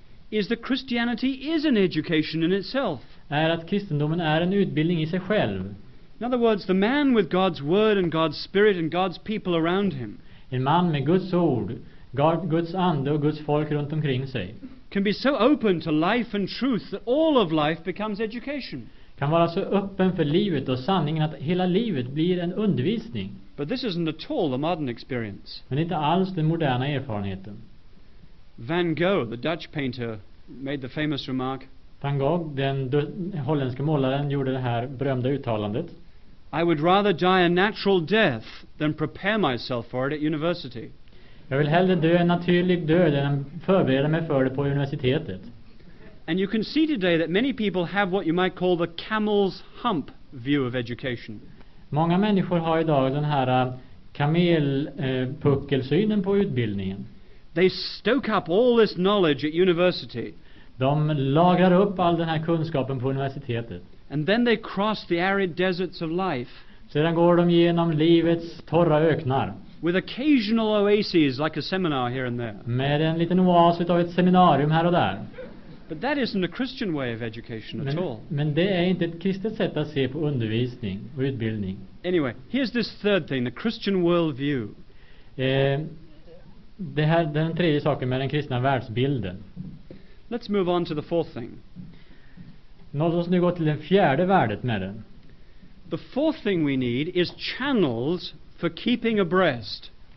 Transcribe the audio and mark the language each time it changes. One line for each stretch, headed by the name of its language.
English: Is that Christianity is an education in itself.
Swedish: Är att kristendomen är en utbildning i sig själv.
English: In other words, the man with God's word and God's spirit and God's people around him.
Swedish: En man med Guds ord, Guds ande och Guds folk runt omkring sig.
English: Can be so open to life and truth that all of life becomes education.
Swedish: Kan vara så öppen för livet och sanningen att hela livet blir en undervisning.
English: But this isn't at all the modern experience.
Swedish: Men inte alls den moderna erfarenheten.
English: Van Gogh, the Dutch painter, made the famous remark.
Swedish: Van Gogh, den holländska målaren, gjorde det här berömda uttalandet.
English: I would rather die a natural death than prepare myself for it at university.
Swedish: Jag vill hellre dö en naturlig död än förbereda mig för det på universitetet.
English: And you can see today that many people have what you might call the camel's hump view of education.
Swedish: Många människor har idag den här kamelpuckelsynen på utbildningen.
English: They stoke up all this knowledge at university.
Swedish: De lagrar upp all den här kunskapen på universitetet.
English: And then they cross the arid deserts of life.
Swedish: Sedan går de genom livets torra öknar.
English: With occasional oases like a seminar here and there.
Swedish: Med en liten oas utav ett seminarium här och där.
English: But that isn't a Christian way of education
Swedish: men,
English: at all.
Swedish: Men det är inte ett kristet sätt att se på undervisning och utbildning.
English: Anyway, here's this third thing, the Christian worldview.
Swedish: Det här, den tredje saken med den kristna världsbilden.
English: Let's move on to the fourth thing.
Swedish: Låt oss nu gå till den fjärde värdet med den.
English: The fourth thing we need is channels for keeping abreast.